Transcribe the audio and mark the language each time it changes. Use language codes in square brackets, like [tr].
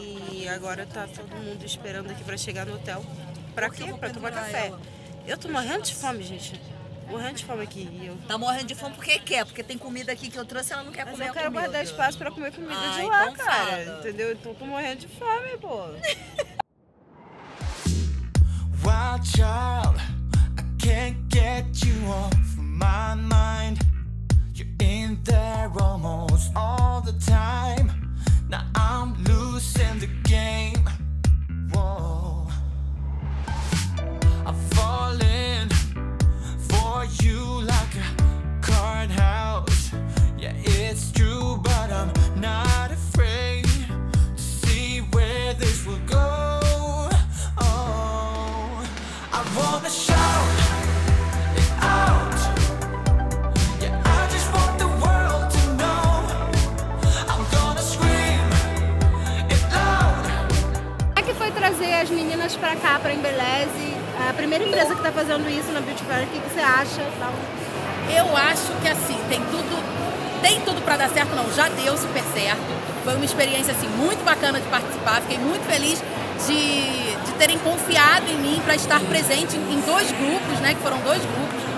[pt] E agora tá todo mundo esperando aqui pra chegar no hotel. Pra quê? Pra tomar café. Eu tô morrendo de fome, gente. Morrendo de fome aqui. Tá morrendo de fome porque quer, porque tem comida aqui que eu trouxe e ela não quer mas comer. Eu quero a comida. Guardar espaço pra comer comida de lá, então cara. Fala. Entendeu? Então tô morrendo de fome, pô. [en] Wild child, I can't get you off my mind. You're in there almost all the time. Now I'm losing the game. Whoa. I've fallen. You like a card house. Yeah, it's true, but I'm not afraid to see where this will go. Oh, I wanna shout it out. Yeah, I just want the world to know. I'm gonna scream it out. [pt] Como é que foi trazer as meninas pra cá, pra Embeleze? A primeira empresa que tá fazendo isso na Beauty Fair, o que você acha? Eu acho que assim, tem tudo pra dar certo, não, já deu super certo. Foi uma experiência assim, muito bacana de participar, fiquei muito feliz de terem confiado em mim pra estar presente em dois grupos, né, que foram dois grupos.